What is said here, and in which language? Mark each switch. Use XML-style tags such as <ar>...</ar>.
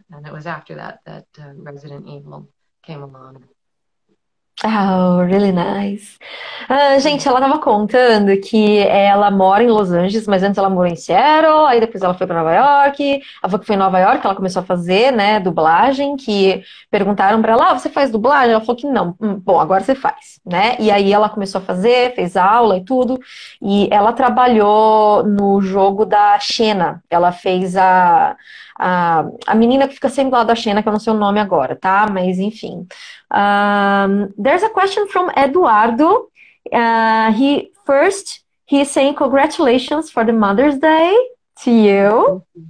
<en>And it was after that Resident Evil came along. Oh, really nice.</en> <pt>Gente, ela tava contando que ela mora em Los Angeles, mas antes ela morou em Seattle, aí depois ela foi para Nova York. Ela falou que foi em Nova York, ela começou a fazer, né, dublagem, que perguntaram para ela, ah, você faz dublagem? Ela falou que não. Bom, agora você faz, né? E aí ela começou a fazer, fez aula e tudo, e ela trabalhou no jogo da Xena. Ela fez a menina que fica sempre lá da Xena, que eu não sei o nome agora, tá? Mas, enfim.</pt> <en>There's a question from Eduardo. He's saying congratulations for the Mother's Day to you.</en>